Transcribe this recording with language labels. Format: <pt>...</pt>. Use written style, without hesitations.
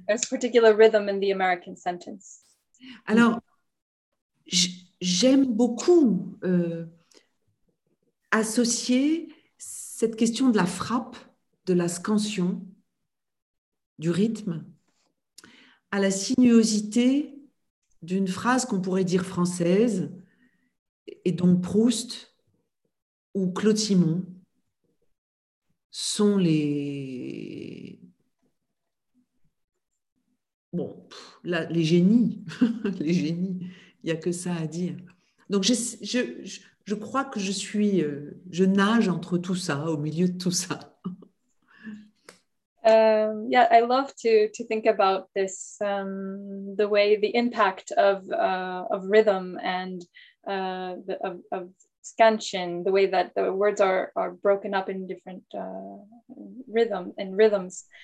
<en>There's a particular rhythm in the American sentence.</en> <fr>Alors, j'aime beaucoup associer cette question de la frappe, de la scansion, du rythme, à la sinuosité d'une phrase qu'on pourrait dire française, et dont Proust ou Claude Simon sont les génies. Les génies, il n'y a que ça à dire. Donc je crois que je nage entre tout ça, au milieu de tout ça.</fr> <en>I love to think about this, the way, the impact of rhythm and of scansion, the way that the words are broken up in different rhythms.</en>